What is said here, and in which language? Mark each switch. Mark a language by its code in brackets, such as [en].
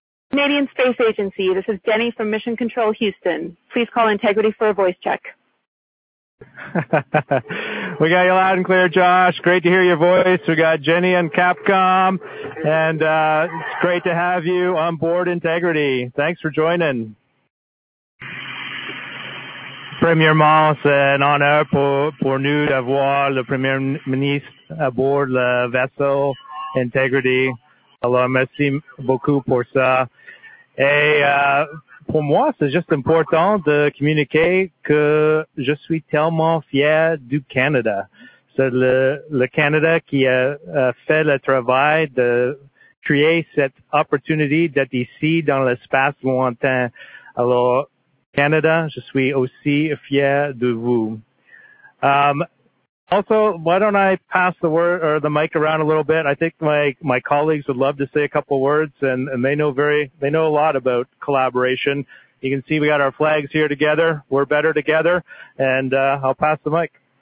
[en] Canadian Space Agency, this is Denny from Mission Control Houston. Please call Integrity for a voice check. We got you loud and clear, Josh. Great to hear your voice. We got Jenny and Capcom, and it's great to have you on board Integrity. Thanks for joining. [fr] Premier Mons, un honneur pour nous d'avoir le premier ministre [en] aboard [fr] le vaisseau Integrity. Alors, merci beaucoup pour ça. Et pour moi, c'est juste important de communiquer que je suis tellement fier du Canada. C'est le Canada qui a fait le travail de créer cette opportunité d'être ici dans l'espace lointain. Alors, Canada, je suis aussi fier de vous. [en] Also, why don't I pass the word or the mic around a little bit? I think my colleagues would love to say a couple words, and they know a lot about collaboration. You can see we got our flags here together. We're better together, and I'll pass the mic.